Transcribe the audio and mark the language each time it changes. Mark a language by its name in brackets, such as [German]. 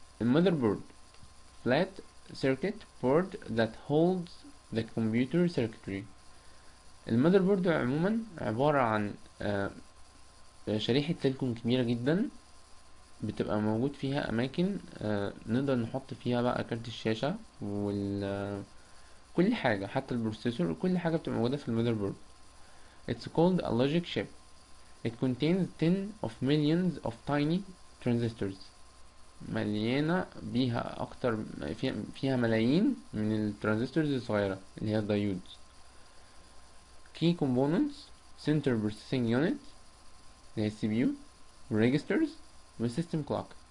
[English] The motherboard, flat circuit board that holds the computer circuitry. [Arabic] The motherboard عموما عبارة عن شريحة سلكم كبيرة جدا بتبقى موجود فيها اماكن نقدر نحط فيها بقى كارت الشاشه وكل حاجه حتى البروسيسور كل حاجه بتبقى موجوده في المذر بورد. [English] It's called a logic chip. It contains 10 of millions of tiny transistors. [Arabic] مليانه بيها اكتر فيها ملايين من الترانزستورز الصغيره اللي هي الدايود. [English] Key components, center processing unit, the CPU, registers with system clock.